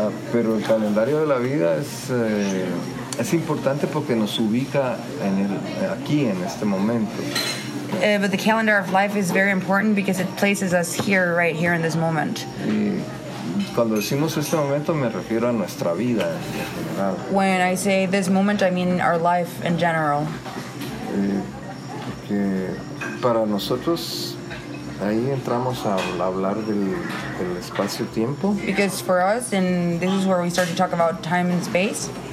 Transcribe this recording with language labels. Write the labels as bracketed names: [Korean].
[Spanish] Pero el calendario de la vida es importante porque nos ubica en el, aquí en este momento. [English] But the calendar of life is very important because it places us here, right here in this moment. [Spanish] Y Cuando decimos este momento, me refiero a nuestra vida en general. [English] When I say this moment, I mean our life in general. [Spanish] Porque para nosotros, ahí entramos a hablar del espacio-tiempo. [English] Because for us, and this is where we start to talk about time and space.